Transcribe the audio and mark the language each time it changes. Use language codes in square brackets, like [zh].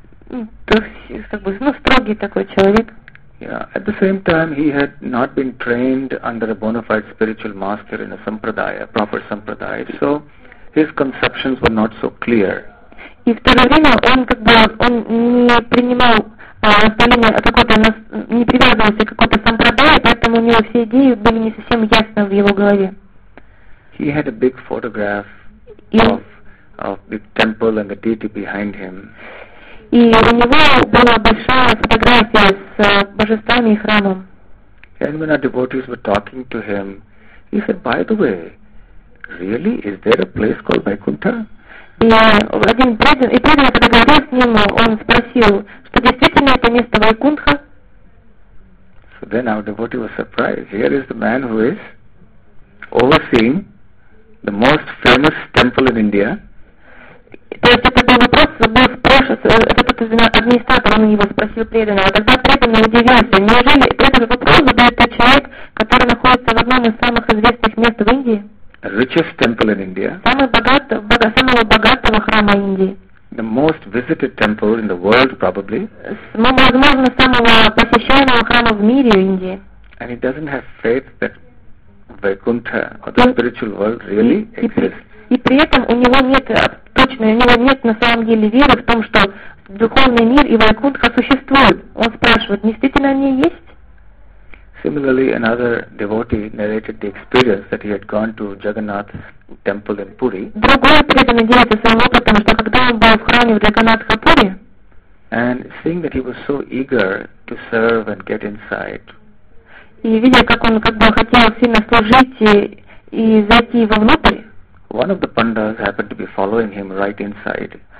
[ru] Очень строгий такой человек. [en] Yeah. At the same time, he had not been trained under a bona fide spiritual master in a sampradaya, a proper sampradaya. So his conceptions were not so clear. [ru] И в то же время он как бы он не принимал наставления о какой-то не привязывался к какой-то сампрадае, поэтому у него все идеи были не совсем ясны в его голове. [en] He had a big photograph of the temple and the deity behind him. [ru] И у него была большая фотография с божествами и храмом. [en] And when our devotees were talking to him, he said, by the way, really, is there a place called Vaikuntha? [ru] И один преданный, когда говорил с ним, он спросил, что действительно это место Вайкунтха. [en] So then our devotee was surprised. Here is the man who is overseeing the most famous temple in India. [ru] То есть это был вопрос, был спрошен, этот администратор, он его спросил преданного. Тогда преданный удивился, неужели этот вопрос задает тот человек, который находится в одном из самых известных мест в Индии? [en] Richest temple in India. [ru] Самого богатого храма Индии. [en] The most visited temple in the world, probably. [ru] Возможно, самого посещаемого храма в мире в Индии. [en] And he doesn't have faith that Vaikuntha or the spiritual world really exists. [ru] И при этом у него нет точно, у него нет на самом деле веры в том, что духовный мир и Вайкунтха существуют. Он спрашивает, действительно они есть? [en] Similarly, another devotee narrated the experience that he had gone to Jagannath's temple in Puri. [ru] Другой преданный делился своим опытом, что когда он был в храме в Джаганнатхапури, [en] and seeing that he was so eager to serve and get inside, [ru] и видя, как он как бы хотел сильно служить и зайти вовнутрь, [en] one of the pandas happened to be following him right inside.